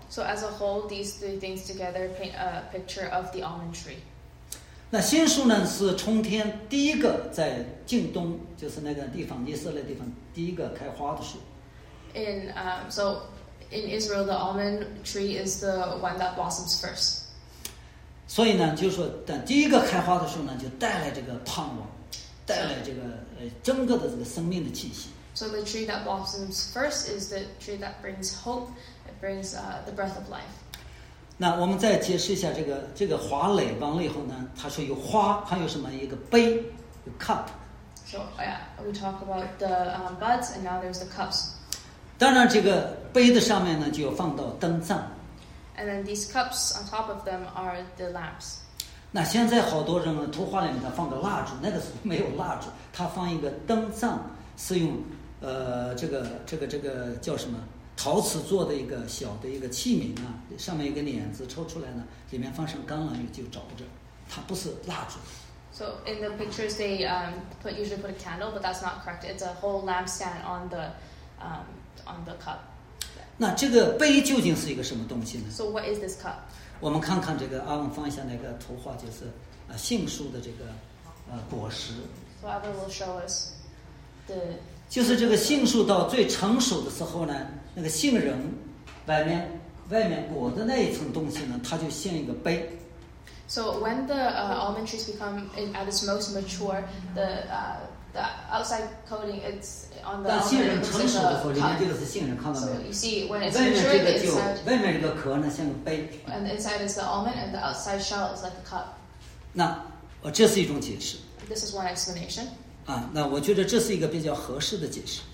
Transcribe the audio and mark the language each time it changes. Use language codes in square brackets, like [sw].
[en] So as a whole, these three things together paint a picture of the almond tree. [zh] 那杏树呢，是春天第一个在近东，就是那个地方，以色列地方第一个开花的树。 [en] In Israel, the almond tree is the one that blossoms first. [zh] 所以呢，就是说，但第一个开花的树呢，就带来这个盼望，带来这个整个的这个生命的气息。 [en] So the tree that blossoms first is the tree that brings hope. It brings the breath of life. [zh] 那我们再解释一下这个花蕾完了以后呢，它说有花，还有什么一个杯，有 cup. [en] So yeah, we talk about the buds, and now there's the cups. [zh] 当然，这个杯子上面呢，就放到灯上。 [en] And then these cups on top of them are the lamps. [zh] 那现在好多人呢，图画里面他放个蜡烛，那个时候没有蜡烛，他放一个灯上，是用这个叫什么陶瓷做的一个小的一个器皿啊，上面一个捻子抽出来呢，里面放上橄榄油就着着，它不是蜡烛。 [en] So in the pictures they usually put a candle, but that's not correct. It's a whole lampstand on the cup. [zh] 那这个杯究竟是一个什么东西呢 [en] ？So what is this cup? [zh] 我们看看这个阿文放一下那个图画，就是杏树的这个果实。 [en] So Abel will show us the. [zh] 就是这个杏树到最成熟的时候呢，那个杏仁外面裹的那一层东西呢，它就像一个杯。 [en] So when the almond trees become at its most mature, the outside coating it's on the [zh] 但杏仁成熟的时候，里面这个是杏仁，看到没 [en] 有？ So you see when it's maturing, [zh] 外面这个壳呢像个杯。 [en] And the inside is the almond, and the outside shell is like a cup. [zh] 那这是一种解释。 [en] This is one explanation. [zh] 啊，那我觉得这是一个比较合适的解释。